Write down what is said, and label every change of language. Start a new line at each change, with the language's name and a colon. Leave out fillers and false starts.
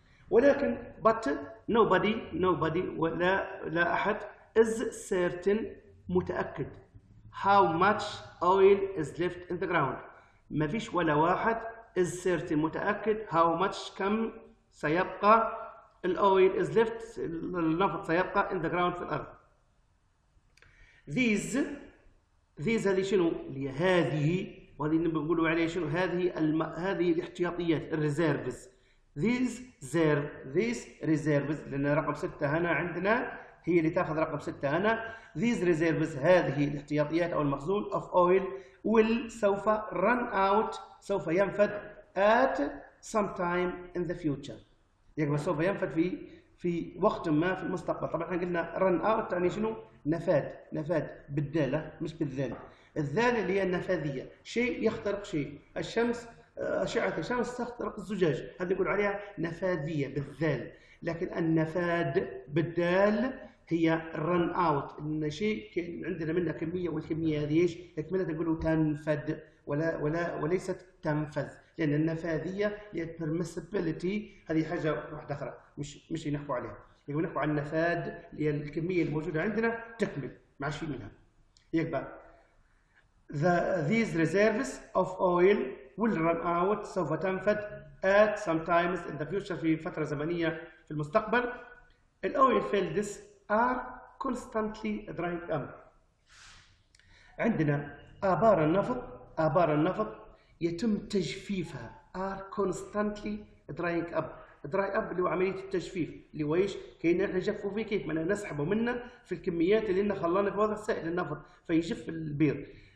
Arabic: ولكن
English: but nobody
Arabic: ولا أحد
English: is certain
Arabic: متأكد
English: how much oil is left in the ground.
Arabic: ما فيش ولا واحد
English: is certain
Arabic: متأكد
English: how much
Arabic: كم سيبقى الأويل
English: is left
Arabic: النفط سيبقى
English: in the ground
Arabic: في الأرض. These هذه شنو؟ اللي هذه وهذه اللي بنقولوا عليها شنو؟ هذه الاحتياطيات الريزيرفز.
English: These reserves
Arabic: لأن رقم 6 هنا عندنا هي اللي تاخذ رقم 6 هنا.
English: These reserves
Arabic: هذه الاحتياطيات او المخزون
English: of oil will
Arabic: سوف
English: run out
Arabic: سوف ينفد
English: at some time in the future.
Arabic: يعني سوف ينفد في وقت ما في المستقبل. طبعا احنا قلنا
English: run out
Arabic: يعني شنو؟ نفاد بالداله مش بالذال. الذال اللي هي النفاذيه، شيء يخترق شيء. الشمس اشعه الشمس تخترق الزجاج، هذه نقول عليها نفاذيه بالذال. لكن النفاد بالدال هي الرن اوت، ان شيء عندنا منه كميه والكميه هذه ايش؟ تكملها نقول تنفد ولا وليست تنفذ، لان النفاذيه هي permissibility، هذه حاجه واحده اخرى مش نحكوا عليها. يعني نحكوا عن النفاد اللي هي الكميه الموجوده عندنا تكمل ما عادش في منها. يبقى
English: these reserves of oil will run out
Arabic: سوف تنفد
English: at some times in the future
Arabic: في فتره زمنيه في المستقبل.
English: الاويل fields are constantly drying up.
Arabic: عندنا ابار النفط يتم تجفيفها
English: Are constantly drying up.
Arabic: دراي اب اللي هو عمليه التجفيف، اللي هو ايش؟ كاين نجفوا فيه كيف؟ معناها نسحبه منه في الكميات اللي لنا خلانا في وضع سائل النفط فيجف البير.